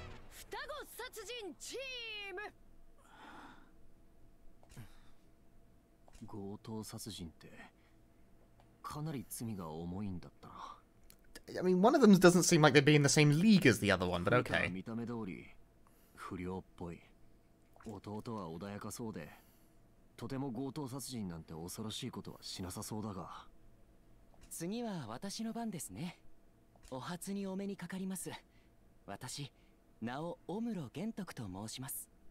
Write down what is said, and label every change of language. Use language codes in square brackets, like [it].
[ja] 双子殺人チーム。強盗殺人ってかなり罪が重いんだったな。 [en] I mean, one of them doesn't seem like they'd be in the same league as the other one, but okay. [ja] 見た目通り不良っぽい。弟は穏やかそうで、とても強盗殺人なんて恐ろしいことはしなさそうだが。次は私の番ですね。お初にお目にかかります。私、名をオムロ玄徳と申します。